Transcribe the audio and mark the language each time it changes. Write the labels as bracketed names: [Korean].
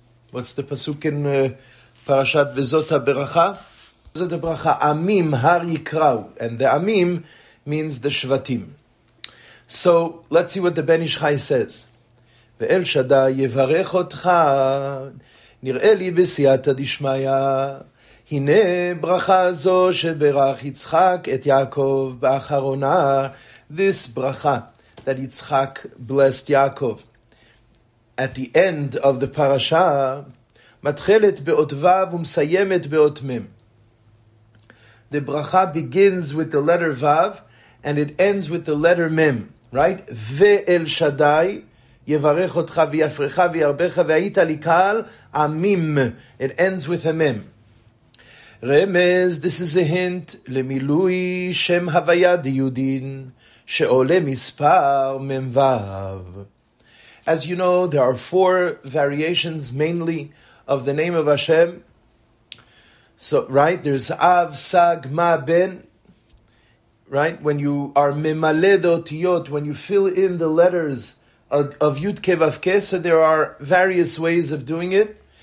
[English] What's the pasuk in Parashat Vezota Beracha? Vezota Beracha, Amim Har Yikrau. And the Amim means the Shvatim. So let's see what the Ben Ish Chai says. [Hebrew] Ve'el Shaddai Yevarech Otcha. נראה לי בסייעתא דשמיא, הנה ברכה זו שברך יצחק את יעקב באחרונה, [English] this ברכה that יצחק blessed יעקב. At the end of the parasha, [Hebrew] מתחלת באות וו ומסיימת באות מם. [English] The ברכה begins with the letter וו, and it ends with the letter מם, right? [Hebrew] ואל שדי, יברך אותך ויפרך וירבך והיית לי קהל, עמים. [English] It ends with a mem. רמז, this is a hint, [Hebrew] למילוי שם הוויה דיודין, שעולה מספר ממוו. [English] As you know, there are four variations mainly of the name of Hashem. So, right, there's Av, Sag, Ma, Ben. Right, when you are ממלא דאותיות, when you fill in the letters of Yud Kei Vav Kei, so there are various ways of doing it.